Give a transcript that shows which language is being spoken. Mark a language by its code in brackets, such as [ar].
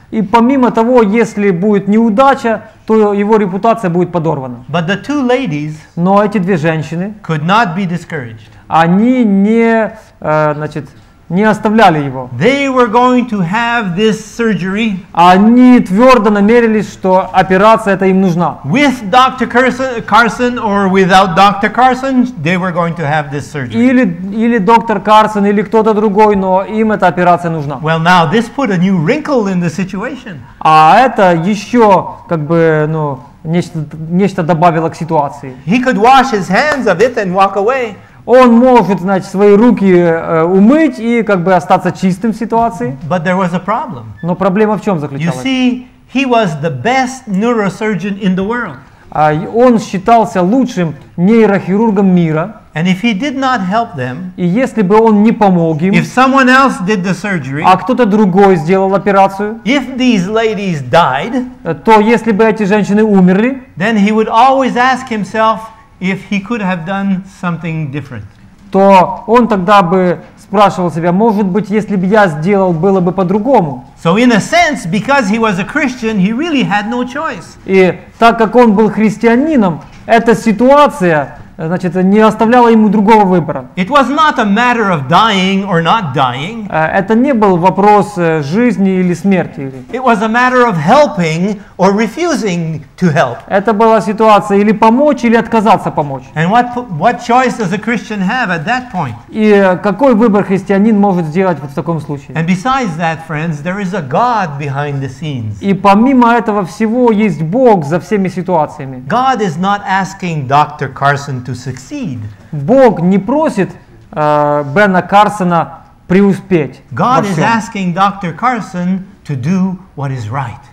[ru] И помимо того, если будет неудача, то его репутация будет подорвана. [en] But the two ladies, [ru] но эти две женщины, [en] could not be discouraged. [ru] Они не, значит, не оставляли его. [en] They were going to have this surgery. [ru] Они твердо намерились, что операция эта им нужна. [en] With Dr. Carson or without Dr. Carson, they were going to have this surgery. [ru] Или доктор Карсон, или кто-то другой, но им эта операция нужна. [en] Well, now this put a new wrinkle in the situation. [ru] А это еще как бы, ну, нечто добавило к ситуации. [en] He could wash his hands of it and walk away. [ru] Он может, значит, свои руки умыть и как бы остаться чистым в ситуации. [en] But there was a problem. [ru] Но проблема в чем заключалась? [en] You see, he was the best neurosurgeon in the world. [ru] Он считался лучшим нейрохирургом мира. [en] And if he did not help them, [ru] и если бы он не помог им, [en] if someone else did the surgery, [ru] а кто-то другой сделал операцию, [en] if these ladies died, [ru] то если бы эти женщины умерли, [en] then he would always ask himself, if he could have done something different. [ru] То он тогда бы спрашивал себя, может быть, если бы я сделал, было бы по-другому. [en] So in a sense, because he was a Christian, he really had no choice. [ru] И так как он был христианином, эта ситуация, значит, не оставляла ему другого выбора. [en] It was not a matter of dying or not dying. [ru] Это не был вопрос жизни или смерти. [en] It was a matter of helping or refusing to help. [ru] Это была ситуация или помочь, или отказаться помочь. [en] And what choice does a Christian have at that point? [ru] И какой выбор христианин может сделать в таком случае? [en] And besides that, friends, there is a God behind the scenes. [ru] И помимо этого всего есть Бог за всеми ситуациями. [en] God is not asking Dr. Carson to succeed. [ru] Бог не просит Бена Карсона преуспеть. [en] God is asking Dr. Carson to do what is right.